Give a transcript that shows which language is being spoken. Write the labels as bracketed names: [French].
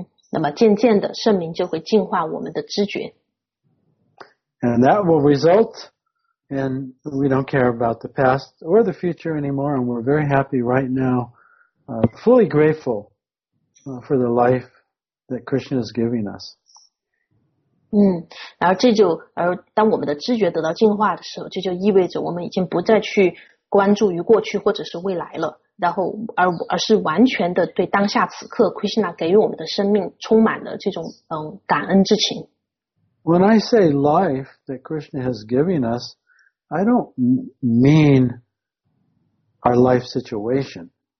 [Chinese] 那么渐渐的圣名就会净化我们的知觉。 [English] And that will result in we don't care about the past or the future anymore, and we're very happy right now, fully grateful for the life that Krishna is giving us. [Chinese] 然后这就而当我们的知觉得到净化的时候，这就意味着我们已经不再去关注于过去或者是未来了，然后而是完全的对当下此刻 Krishna 给予我们的生命充满了这种感恩之情。 [English] When I say life that Krishna has given us, I don't mean our life situation.